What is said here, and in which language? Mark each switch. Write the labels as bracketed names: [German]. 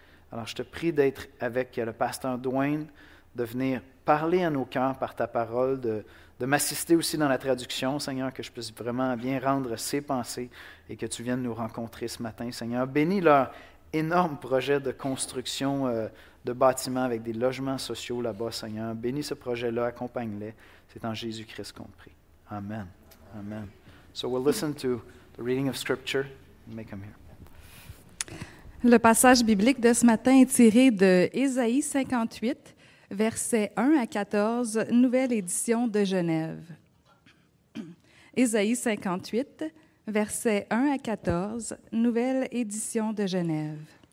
[French] Alors, je te prie d'être avec le pasteur Dwayne, de venir parler à nos cœurs par ta parole, de m'assister aussi dans la traduction, Seigneur, que je puisse vraiment bien rendre ses pensées et que tu viennes nous rencontrer ce matin, Seigneur. Bénis leur énorme projet de construction de bâtiments avec des logements sociaux là-bas, Seigneur. Bénis ce projet-là, accompagne-les. C'est en Jésus-Christ qu'on prie. Amen. Amen. [English] So we'll listen to the reading of Scripture. Make them here. [French] Le passage biblique de ce matin est tiré de Ésaïe 58, versets 1 à 14, nouvelle édition de Genève. Ésaïe 58, versets 1 à 14, nouvelle édition de Genève.